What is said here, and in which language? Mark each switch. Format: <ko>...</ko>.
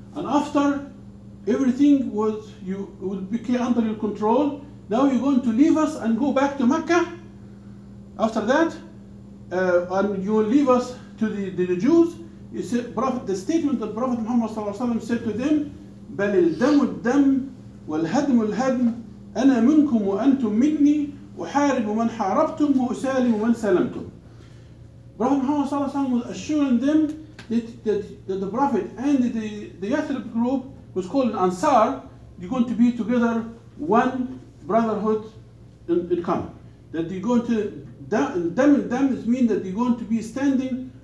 <en>And after everything would be under your control, now you're going to leave us and go back to Mecca after that, and you will leave us to the Jews. He said, the statement that Prophet Muhammad sallallahu alaihi wasallam said to them,</en> <ar>بَلِ الْدَمُ الدَّمُ وَالْهَدْمُ الْهَدْمُ أَنَا مِنْكُمْ وَأَنْتُمْ مِنِّي أُحَارِبُ مَنْ حَارَبْتُمْ وَأُسَالِمُ مَنْ سَلَمْتُمْ.</ar> <en>Prophet Muhammad sallallahu alaihi wasallam was assuring them that the Prophet and the Yathrib group, was called Ansar, you're going to be together, one brotherhood in common. That they're going to, them means that they're going to be standing</en>